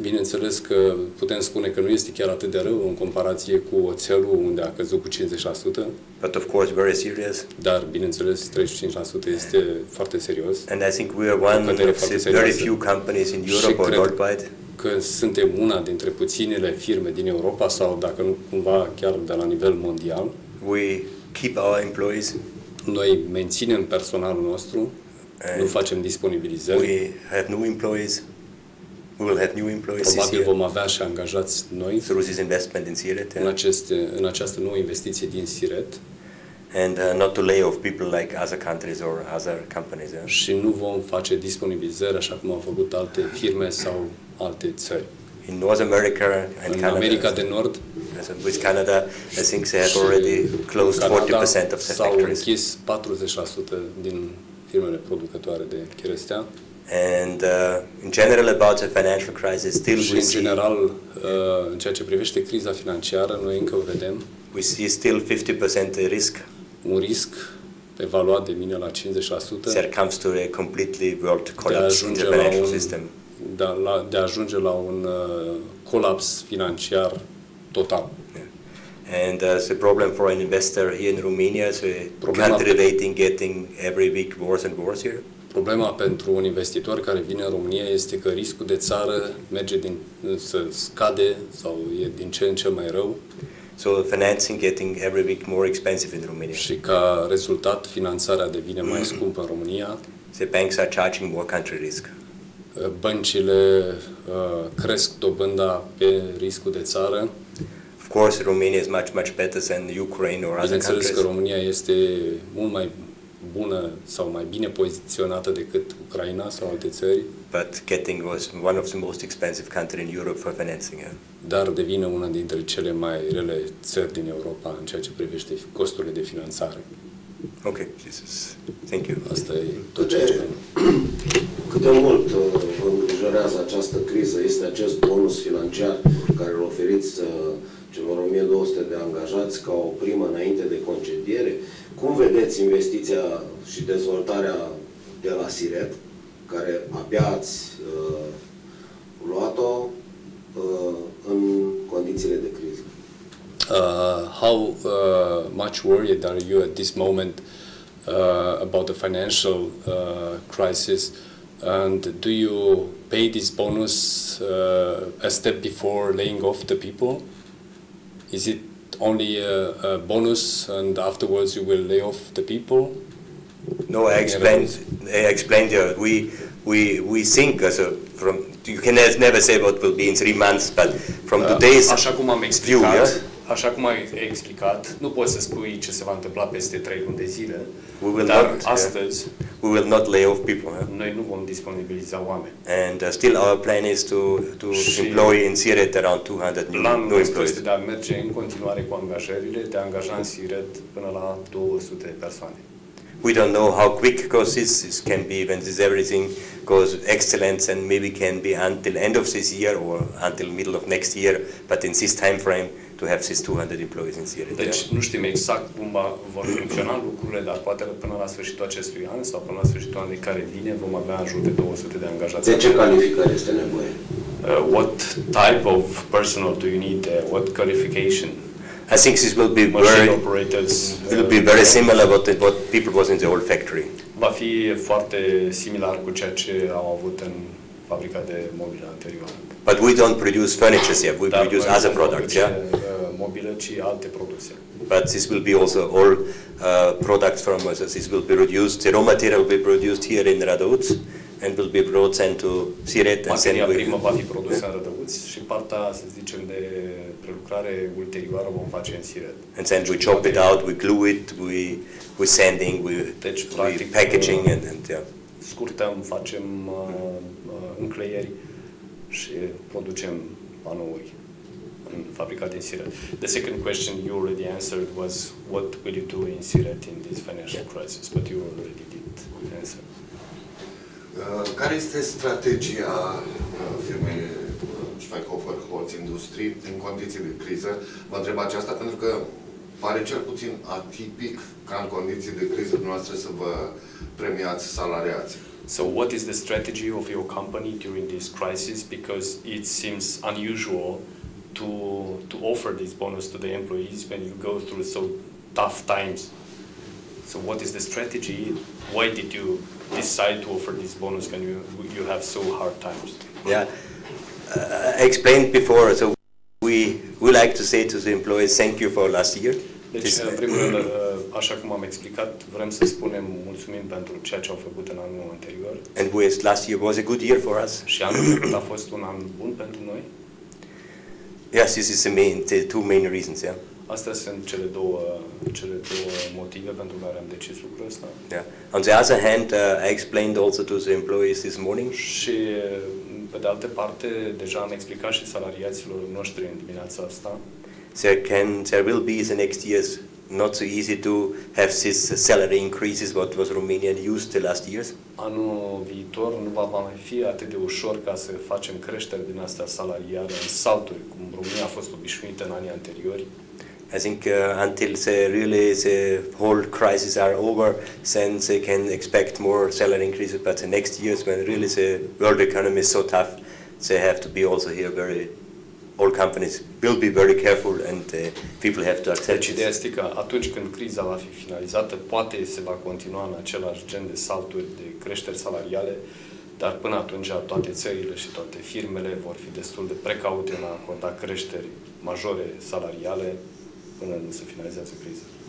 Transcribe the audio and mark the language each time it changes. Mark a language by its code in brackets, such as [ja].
[ro] Bineînțeles că putem spune că nu este chiar atât de rău în comparație cu oțelul unde a căzut cu 50%. [en] But of course very serious. [ro] Dar bineînțeles 35% este foarte serios. [en] And I think we are one of very few companies in Europe or worldwide. [ro] Că suntem una dintre puținele firme din Europa sau dacă nu cumva chiar de la nivel mondial. [en] We keep our employees. [ro] Noi menținem personalul nostru. Nu facem disponibilizări. [en] We have new employees. We will have new employees. [ro] Probabil vom avea și angajați noi. [en] Through this investment in Siret. [ro] În această nouă investiție din Siret. [en] And not to lay off people like other countries or other companies. [ro] Și nu vom face disponibilizări așa cum au făcut alte firme sau alte țări. [en] In North America and [ro] Canada. În America de Nord. [en] With Canada, I think they have already closed 40% of their factories. [ro] S-au închis 40% din firmele producătoare de cherestea. [en] And in general about the financial crisis still [ro] și [en] we see. [ro] În general, în ceea ce privește criza financiară, noi încă o vedem. [en] We see still 50% risk. [ro] Un risc evaluat de mine la 50%. [en] There comes to a completely world collapse in the financial system. [ro] De a ajunge la un colaps financiar total. [en] And the problem for an investor here in Romania is a country rating getting every week worse and worse here. [ro] Problema pentru un investitor care vine în România este că riscul de țară merge din să scade sau e din ce în ce mai rău. [en] So financing getting every week more expensive in Romania. [ro] Și ca rezultat finanțarea devine mai scumpă în România. [en] The banks are charging more country risk. [ro] Băncile cresc dobânda pe riscul de țară. [en] Of course, Romania is much, much better than Ukraine or other countries. [ro] Bineînțeles că România este mult mai bună sau mai bine poziționată decât Ucraina sau alte țări. [en] But getting was one of the most expensive countries in Europe for financing. [ro] Dar devine una dintre cele mai rele țări din Europa în ceea ce privește costurile de finanțare. [en] Okay, Jesus. Thank you. [ro] Asta e tot ce vreau. Cât de mult vă îngrijorează această criză, este acest bonus financiar care îl oferiți celor 1200 de angajați ca o primă înainte de concediere. Cum vedeți investiția și dezvoltarea de la Siret, care abia ați luat-o în condițiile de criză? [en] How much worried are you at this moment about the financial crisis? And do you pay this bonus a step before laying off the people? Is it only a bonus and afterwards you will lay off the people? No, I explained you. We think as a from you can never say what will be in 3 months, but from today's [ro] așa cum am explicat, [en] view, yeah? [ro] Așa cum ai explicat, nu poți să spui ce se va întâmpla peste 3 luni de zile. [en] We will [ro] dar [en] not, [ro] astăzi [en] we will not lay off people. Huh? [ro] Noi nu vom disponibiliza oameni. [en] And still our plan is to employ in Siret around 200 new employees. [ro] Planul este de a merge în continuare cu angajările, de a angaja în Siret până la 200 de persoane. [en] We don't know how quick goes this can be when this everything goes excellent and maybe can be until end of this year or until middle of next year, but in this time frame to have these 200 employees in Siret. [ro] Deci nu știm exact cum vor funcționa lucrurile, dar poate până la sfârșitul acestui an sau până la sfârșitul anului care vine vom avea în jur de 200 de angajați. De ce calificări este nevoie? [en] What type of personnel do you need? What qualification? I think this will be very similar to what people was in the old factory. [ro] Va fi foarte similar cu ceea ce au avut în fabrica de mobilă anterior. [en] But we don't produce furniture yet. We [ro] dar [en] produce other products, yeah? [ro] Mobilă, ci alte produse. [en] But this will be also all products from us. This will be produced, the raw material will be produced here in Radăuț and will be brought then to Siret. [ro] Materia primă va fi produsă în Radăuț și partea, să zicem, de prelucrare ulterioară vom face în Siret. [en] And then we chop it out, we glue it, we sanding, we packaging and yeah. [ro] Scurtăm, facem încleieri și producem panouri în fabrica din Siret. [en] The second question you already answered was what will you do in Siret in this financial crisis, but you already did answer. [ro] Care este strategia firmei Schweighofer Holz Industrie în condiții de criză? Vă întreb aceasta pentru că pare cel puțin atipic ca în condiții de criză noastră să vă premiați salariații. [en] So what is the strategy of your company during this crisis, because it seems unusual to offer this bonus to the employees when you go through so tough times. So what is the strategy? Why did you decide to offer this bonus when you have so hard times? Yeah, I explained before, so we like to say to the employees, thank you for last year. [ro] Deci, în primul rând, așa cum am explicat, vrem să spunem mulțumim pentru ceea ce au făcut în anul anterior. [en] And was last year was a good year for us. [ro] Și anul trecut a fost un an bun pentru noi. [en] Yes, this is the two main reasons, yeah. [ro] Astea sunt cele două motive pentru care am decis lucrul ăsta. [en] Yeah. On the other hand, I explained also to the employees this morning. [ro] Și pe de altă parte, deja am explicat și salariaților noștri în dimineața asta. [en] There will be the next years not so easy to have this salary increases what was Romania used the last years. [ro] Anul viitor nu va mai fi atât de ușor ca să facem creșteri din astea salariare în salturi cum România a fost obișnuită în anii anteriori. [en] I think until the whole crisis are over, then they can expect more salary increases. But the next years, when really the world economy is so tough, they have to be also here very. All companies will be very careful, and people have to accept. [ro] Deci, ideea este că atunci când criza va fi finalizată, poate se va continua în același gen de salturi de creșteri salariale, dar până atunci toate țările și toate firmele vor fi destul de precaute în a acorda creșteri majore salariale până nu se finalizează criza.